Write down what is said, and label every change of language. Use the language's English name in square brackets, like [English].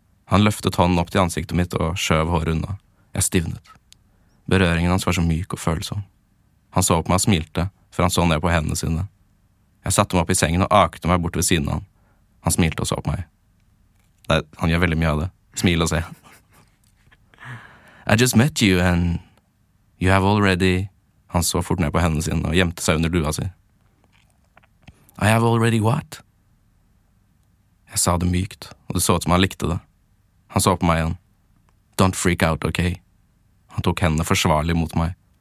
[Norwegian] Han løftet hånden opp til ansiktet mitt og skjøv håret unna. Jeg stivnet. Berøringen hans var så myk og følsom. Han så på meg og smilte, for han så ned på hendene sine. Jeg satte meg opp I sengen og akte meg bort ved siden av han. Han smilte og så på meg. Nei, han gjør veldig mye av det. Smil og se. [English] I just met you and you have already... [Norwegian] Han så fort ned på hendene sine og gjemte seg under lua si. [English] I have already what? [Norwegian] Jeg sa det mykt, og det så ut som han likte det. Han så på meg igjen. [English] Don't freak out, okay? [Norwegian] Han tok hendene forsvarlig mot meg.